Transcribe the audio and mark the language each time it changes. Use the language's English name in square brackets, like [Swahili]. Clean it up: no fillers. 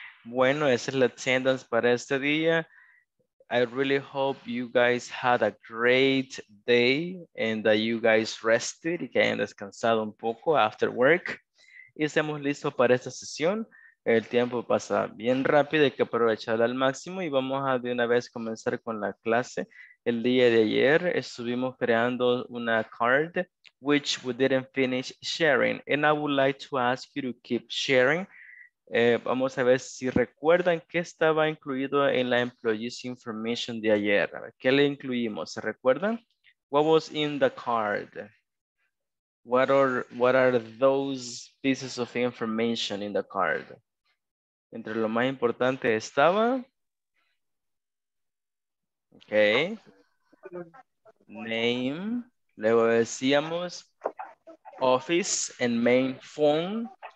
[Spanish] Bueno, esa es la attendance para este día. [English] I really hope you guys had a great day and that you guys rested [Spanish] y que hayan descansado un poco [English] after work. [Spanish] Y estemos listos para esta sesión. El tiempo pasa bien rápido, hay que aprovecharla al máximo y vamos a de una vez comenzar con la clase. El día de ayer estuvimos creando una card [English] which we didn't finish sharing. And I would like to ask you to keep sharing. [Spanish] Vamos a ver si recuerdan qué estaba incluido en la employees information de ayer. ¿Qué le incluimos? ¿Se recuerdan? [English] What was in the card? What are those pieces of information in the card? [Spanish] Entre lo más importante estaba. [English] Okay. Name. [Spanish] Luego decíamos [English] office and main phone.